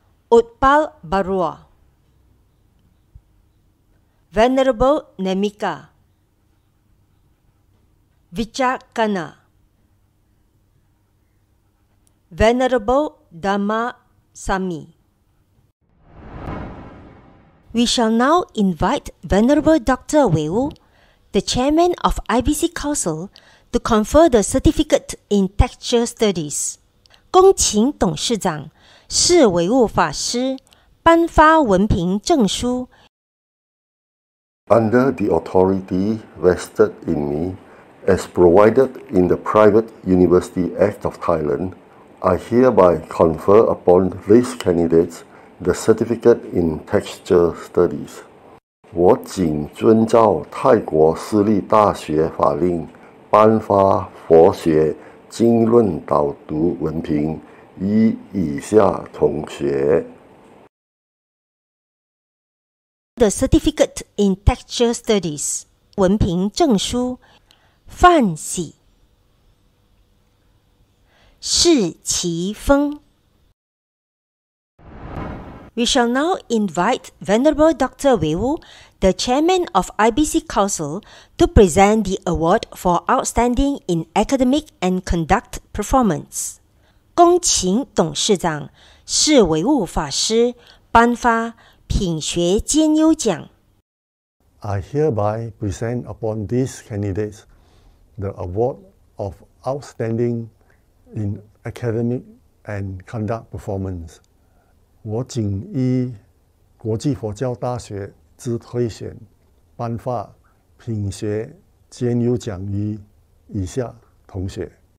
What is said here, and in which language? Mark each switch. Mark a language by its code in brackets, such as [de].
[en] Utpal Barua Venerable Nemika Vichakana Venerable Dhamma Sami. We shall now invite Venerable Dr. Wei Wu, the Chairman of IBC Council, to confer the Certificate in Texture Studies. [zh] 恭请董事长释维吾法师颁发文凭证书。 [en] Under the authority vested in me, as provided in the Private University Act of Thailand, I hereby confer upon these candidates. The Certificate in Texture Studies. [zh] 我谨遵照泰国私立大学法令颁发佛学经论导读文凭依以下同学。 [en] The Certificate in Texture Studies [zh] 文凭证书 [en] 范喜释其峰We shall now invite Venerable Dr. Wei Wu, the Chairman of IBC Council, to present the award for Outstanding in Academic and Conduct Performance. [zh] 恭请董事长释维吾法师颁发品学兼优奖。 [en] I hereby present upon these candidates the award of Outstanding in Academic and Conduct Performance. [zh] 我谨依国际佛教大学之推选，颁发品学兼优奖于以下同学